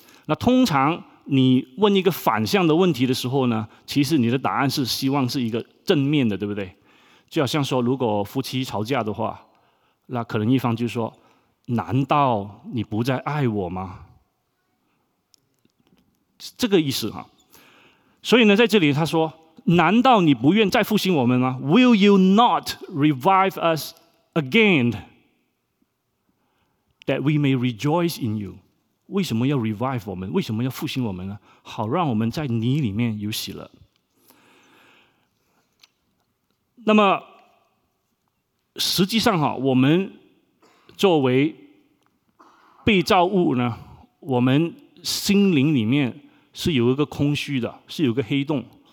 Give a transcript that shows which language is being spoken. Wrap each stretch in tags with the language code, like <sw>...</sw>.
<zh>那通常你问一个反向的问题的时候呢，其实你的答案是希望是一个正面的，对不对？就好像说如果夫妻吵架的话，那可能一方就说难道你不再爱我吗？这个意思哈。所以呢，在这里他说难道你不愿再复兴我们吗？</zh> <en>Will you not revive us again that we may rejoice in you？</en> <zh>为什么要 revive 我们？为什么要复兴我们呢？好让我们在你里面有喜乐。那么实际上我们作为被造物呢，我们心灵里面是有一个空虚的，是有一个黑洞。</zh>